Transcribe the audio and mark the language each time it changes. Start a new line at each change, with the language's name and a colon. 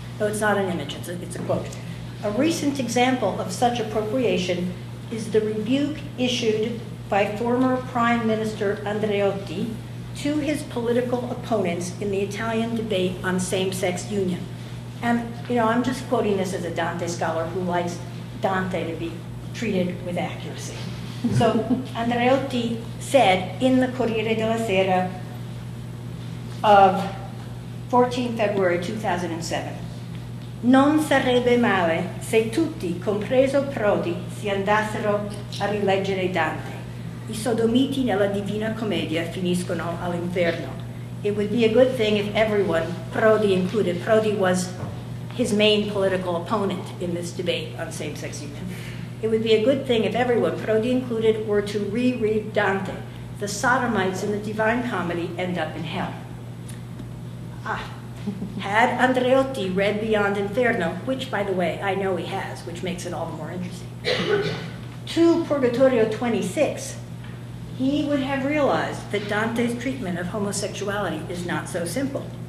English: Though it's not an image, it's a quote. A recent example of such appropriation is the rebuke issued by former Prime Minister Andreotti to his political opponents in the Italian debate on same-sex union. And, you know, I'm just quoting this as a Dante scholar who likes Dante to be treated with accuracy. So Andreotti said in the Corriere della Sera of 14 February 2007,
Italian: "Non sarebbe male se tutti, compreso Prodi, si andassero a rileggere Dante. I sodomiti nella Divina Commedia finiscono all'inferno."
English: It would be a good thing if everyone, Prodi included, Prodi was his main political opponent in this debate on same-sex union. It would be a good thing if everyone, Prodi included, were to reread Dante. The sodomites in the Divine Comedy end up in hell. Ah, had Andreotti read Beyond Inferno, which, by the way, I know he has, which makes it all the more interesting, to Purgatorio 26, he would have realized that Dante's treatment of homosexuality is not so simple.